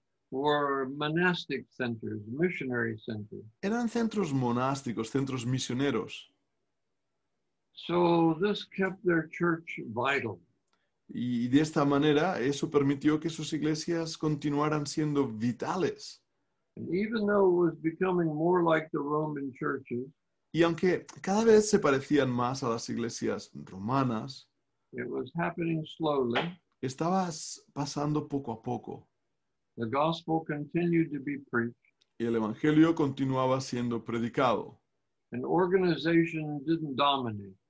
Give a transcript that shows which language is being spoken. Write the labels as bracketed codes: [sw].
[en] Were monastic centers, missionary centers. [es] Eran centros monásticos, centros misioneros. [en] So this kept their church vital. [es] Y de esta manera, eso permitió que sus iglesias continuaran siendo vitales. [en] And even though it was becoming more like the Roman churches, [es] y aunque cada vez se parecían más a las iglesias romanas, [en] it was happening slowly. [es] Estaba pasando poco a poco. [en] The gospel continued to be preached. [es] Y el evangelio continuaba siendo predicado. [en] And organization didn't dominate.